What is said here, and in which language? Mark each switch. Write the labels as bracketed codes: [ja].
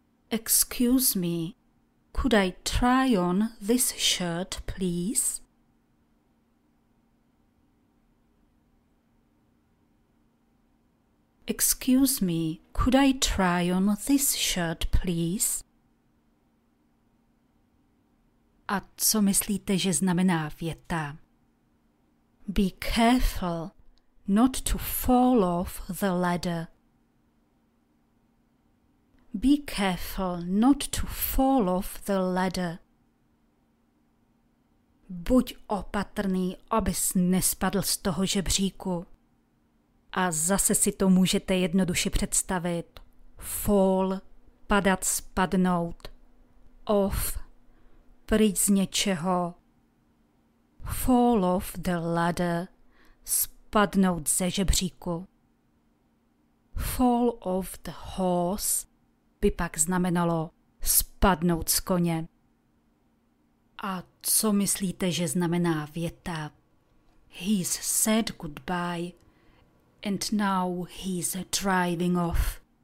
[en] Excuse me, could I try on this shirt, please? Excuse me, could I try on this shirt, please? [cs] A co myslíte, že znamená věta? [en] Be careful not to fall off the ladder. Be careful not to fall off the ladder. [cs] Buď opatrný, abys nespadl z toho žebříku. A zase si to můžete jednoduše představit. Fall, padat, spadnout. Off, pryč z něčeho. [en] Fall off the ladder, [cs] spadnout ze žebříku. [en] Fall off the horse [cs] by pak znamenalo spadnout z koně. A co myslíte, že znamená věta? [en] He's said goodbye and now he's driving off.